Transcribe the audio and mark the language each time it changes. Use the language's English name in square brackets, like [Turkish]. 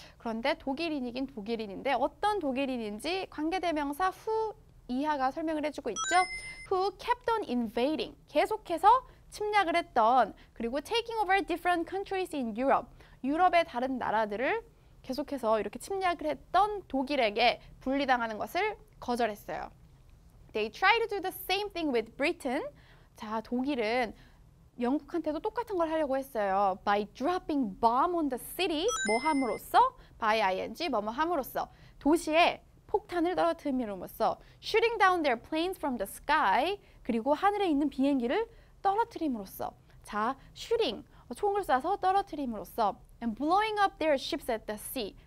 [Korean] 그런데 독일인이긴 독일인인데 어떤 독일인인지 관계대명사 who 이하가 설명을 해주고 있죠. [English] Who kept on invading. [Korean] 계속해서 침략을 했던 그리고 [English] taking over different countries in Europe. [Korean] 유럽의 다른 나라들을 계속해서 이렇게 침략을 했던 독일에게 분리당하는 것을 거절했어요. [English] They tried to do the same thing with Britain. [Korean] 자, 독일은 영국한테도 똑같은 걸 하려고 했어요. [English] By dropping bomb on the city. [Korean] 뭐 함으로써? [English] By ing. [Korean] 뭐뭐 함으로써. 도시에 폭탄을 떨어뜨림으로써. [English] Shooting down their planes from the sky. [Korean] 그리고 하늘에 있는 비행기를 떨어뜨림으로써. 자, shooting. 총을 쏴서 떨어뜨림으로써. [English] And blowing up their ships at the sea.